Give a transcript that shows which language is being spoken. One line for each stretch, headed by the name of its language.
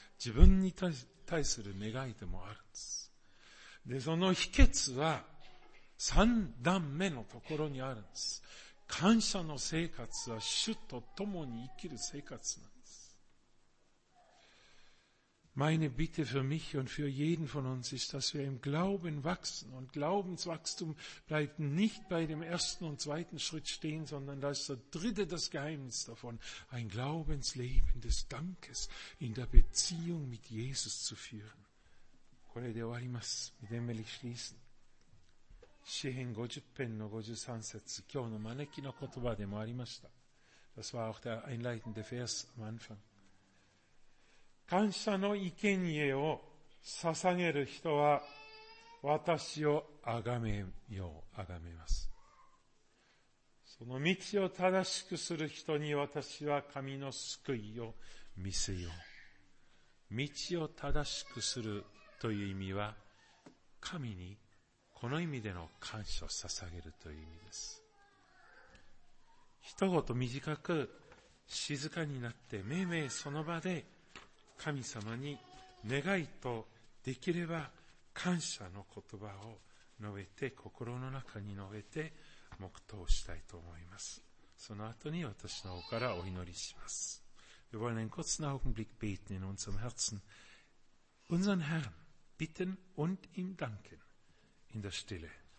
Japanese: 自分に対する願いでもあるんです。で、その秘訣は三段目のところにあるんです。感謝の生活は主と共に生きる生活なんです。
German: Meine Bitte für mich und für jeden von uns ist, dass wir im Glauben wachsen. Und Glaubenswachstum bleibt nicht bei dem ersten und zweiten Schritt stehen, sondern da ist der dritte das Geheimnis davon, ein Glaubensleben des Dankes in der Beziehung mit Jesus zu führen.
Japanese: これで終わります。みでめりしりす。詩編50編の53節、今日の招きの言葉でもありました。
German: Das war auch der einleitende Vers am Anfang.
Japanese: 感謝の生贄を捧げる人は私をあがめよう、あがめます。その道を正しくする人に私は神の救いを見せよう。道を正しくするという意味は神にこの意味での感謝を捧げるという意味です。一言短く静かになってめいめいその場で神様に願いとできれば感謝の言葉を述べて心の中に述べて黙祷したいと思います。その後に私の方からお祈りします。
German: Wir wollen einen kurzen Augenblick beten in unserem Herzen, unseren Herrn bitten und ihm danken in der Stille.